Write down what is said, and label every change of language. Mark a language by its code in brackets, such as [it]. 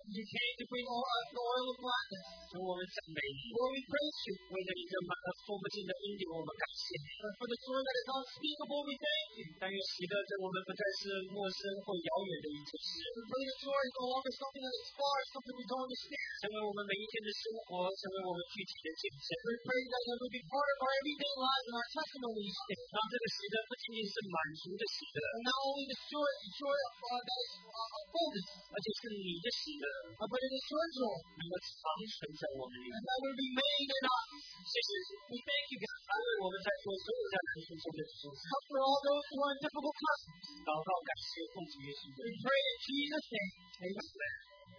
[en] You came to bring all our oil of gladness。 [zh] 主，我们赞美你。 [en] Lord, we praise you。 [zh] 为着你这满了说不尽的恩典，我们感谢你。 [en] For the joy that is unspeakable, we thank you。 [zh] 但愿喜乐在我们不再是陌生或遥远的一件事。 [en] For the joy is no longer something that is far, something we don't understand。 [zh] 成为我们每一天的生活，成为我们具体的见证。 [en] We pray that you will be part of our everyday lives and our testimonies。 [zh] 让这个喜乐不仅仅是满足的喜乐。 [en] And not only the joy of that is fullness， [zh] 而且是你的喜乐。 [en] But it is eternal， [zh] 能够长存在我们里面。 [en] And that will be made in us。 [zh] 谢谢。 [en] We thank you, God。 [zh] 安慰我们在座所有在人生中的弟兄。 [en] Help for all those who are in difficult times。 [zh] 祷告感谢奉主耶稣的名。 [en] We pray in Jesus' name。Amen。